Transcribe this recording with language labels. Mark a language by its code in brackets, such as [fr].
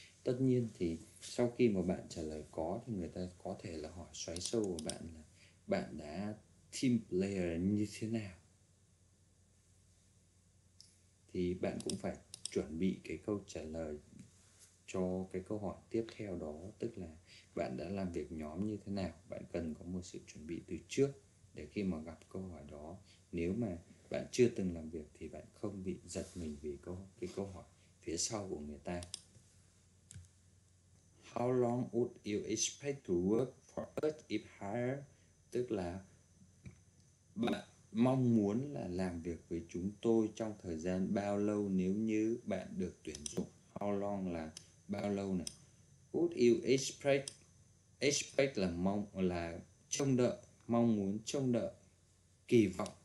[vi] Tất nhiên thì sau khi mà bạn trả lời có thì người ta có thể là hỏi xoáy sâu của bạn là bạn đã team player như thế nào, thì bạn cũng phải chuẩn bị cái câu trả lời cho cái câu hỏi tiếp theo đó, tức là bạn đã làm việc nhóm như thế nào. Bạn cần có một sự chuẩn bị từ trước để khi mà gặp câu hỏi đó, nếu mà bạn chưa từng làm việc thì bạn không bị giật mình vì câu hỏi phía sau của người ta. [en] How long would you expect to work for us if hired? [vi] Tức là bạn mong muốn là làm việc với chúng tôi trong thời gian bao lâu nếu như bạn được tuyển dụng. [en] How long [vi] là bao lâu này? [en] Would you expect [vi] là mong, là trông đợi, mong muốn, trông đợi, kỳ vọng.